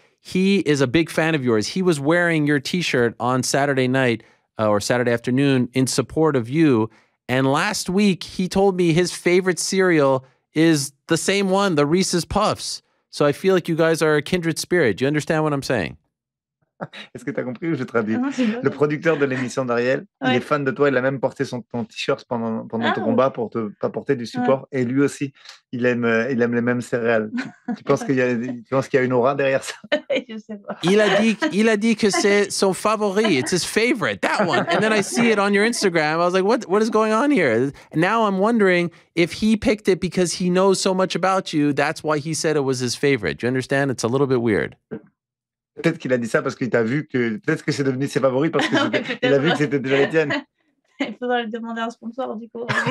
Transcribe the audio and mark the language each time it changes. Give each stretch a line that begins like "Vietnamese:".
English: He is a big fan of yours. He was wearing your T-shirt on Saturday night or Saturday afternoon in support of you. And last week, he told me his favorite cereal is the same one, the Reese's Puffs. So I feel like you guys are a kindred spirit. Do you understand what I'm saying?
French: Est-ce que tu as compris ou je traduis? Le producteur de l'émission d'Ariel, il est fan de toi. Il a même porté ton T-shirt pendant ton combat pour te pas porter du support. Ouais. Et lui aussi, il aime les mêmes céréales. tu penses qu'il y a une aura derrière ça? Je sais pas. Il a dit que c'est son favori.
English: It's his favorite, that one. And then I see it on your Instagram. I was like, what is going on here? Now I'm wondering if he picked it because he knows so much about you. That's why he said it was his favorite. Do you understand? It's a little bit weird.
French: Peut-être qu'il a dit ça parce qu'il t'a vu que peut-être que c'est devenu ses favoris parce qu'il a vu que c'était déjà les tiennes. Il faudra le demander à un sponsor du coup.